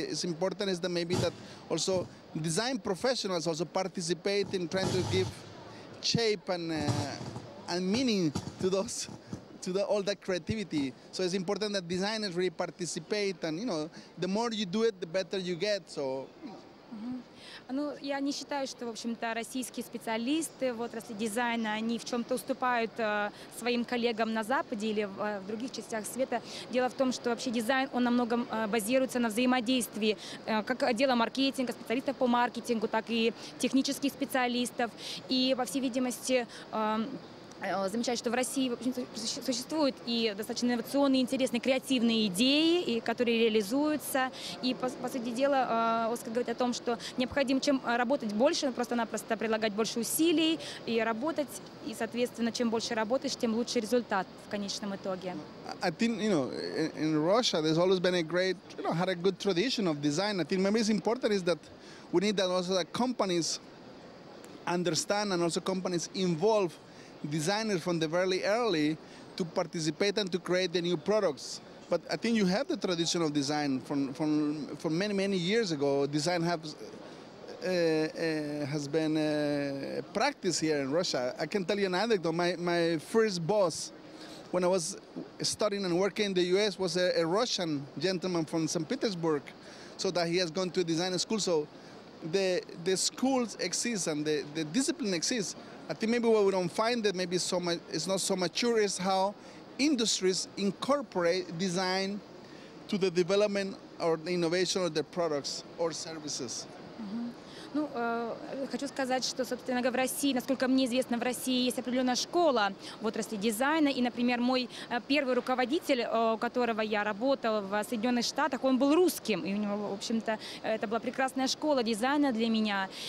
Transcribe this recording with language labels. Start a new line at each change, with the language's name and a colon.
English: It's important is that maybe that also design professionals also participate in trying to give shape and meaning to those, to the, all that creativity. So it's important that designers really participate, and the more you do it, the better you get. So.
Russian: Ну, я не считаю, что, в общем-то, российские специалисты в отрасли дизайна, они в чем-то уступают своим коллегам на Западе или в других частях света. Дело в том, что вообще дизайн, он намного базируется на взаимодействии как отдела маркетинга, специалистов по маркетингу, так и технических специалистов. И, по всей видимости, замечаю, что в России существуют и достаточно инновационные, интересные, креативные идеи, и которые реализуются. И, по сути дела, Оскар говорит о том, что необходимо чем работать больше, просто-напросто прилагать больше усилий и работать. И, соответственно, чем больше работаешь, тем лучше результат в конечном итоге.
English: I think, in Russia there's always been a great, had a good tradition of design. I think maybe it's important is that we need that also that companies understand and also companies involve designers from the very early to participate and to create the new products. But I think you have the tradition of design from many, many years ago. Design has been practiced here in Russia. I can tell you an anecdote. My first boss, when I was studying and working in the U.S., was a Russian gentleman from St. Petersburg, so that he has gone to a design school. So the schools exist and the discipline exists. I think maybe what we don't find that maybe so much, it's not so mature, is how industries incorporate design to the development or the innovation of their products or services.
Russian: Ну, хочу сказать, что, собственно говоря, в России, насколько мне известно, в России есть определенная школа в отрасли дизайна. И, например, мой первый руководитель, у которого я работала в Соединенных Штатах, он был русским. И у него, в общем-то, это была прекрасная школа дизайна для меня.